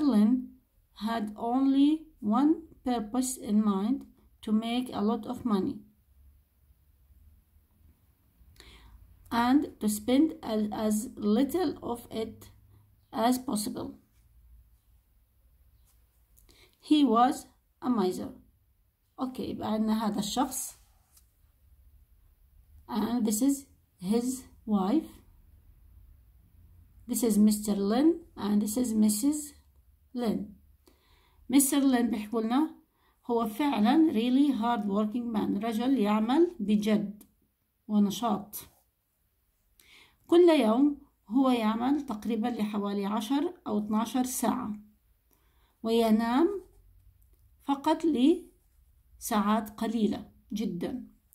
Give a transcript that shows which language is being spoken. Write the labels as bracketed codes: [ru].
[en] Lin had only one purpose in mind, to make a lot of money and to spend as little of it as possible. He was a miser. [ar] Okay, يبقى عندنا هذا الشخص. [en] And this is his wife. This is Mr. Lin and this is Mrs. Lin. Mr. Lin [ar] بيحكولنا هو فعلا [en] really hard working man، [ar] رجل يعمل بجد ونشاط. كل يوم هو يعمل تقريبا لحوالي 10 أو 12 ساعة، وينام فقط لساعات قليلة جدا.